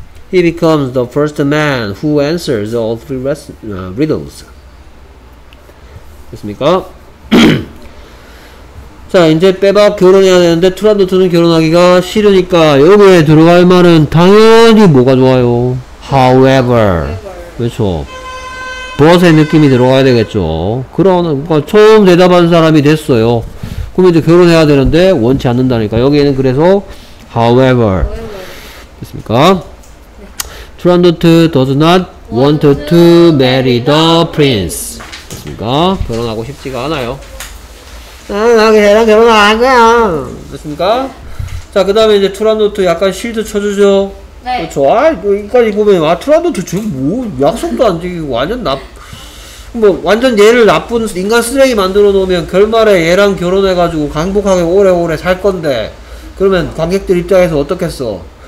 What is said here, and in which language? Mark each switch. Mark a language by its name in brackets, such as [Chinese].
[English] he becomes the first man who answers all three riddles. [Korean] 됐습니까? 자 이제 빼박 결혼해야 되는데 트란도트는 결혼하기가 싫으니까 여기에 들어갈 말은 당연히 뭐가 좋아요? however 그렇죠. but의 느낌이 들어가야 되겠죠. 그런 그러니까 처음 대답한 사람이 됐어요. 그럼 이제 결혼해야 되는데 원치 않는다니까 여기에는 그래서 however 됐습니까? [English] 트란도트 does not want to marry the prince. [Korean] 됐습니까? 결혼하고 싶지가 않아요. 나 걔랑 결혼 안 할 거야. 됐습니까? 자, 그 다음에 이제 트란도트 약간 실드 쳐주죠? 네. 그렇죠. 아, 여기까지 보면, 아, 트란도트 지금 뭐, 약속도 안 지키고, 완전 나, 뭐, 완전 얘를 나쁜 인간 쓰레기 만들어 놓으면, 결말에 얘랑 결혼해가지고, 강복하게 오래오래 살 건데, 그러면 관객들 입장에서 어떻겠어?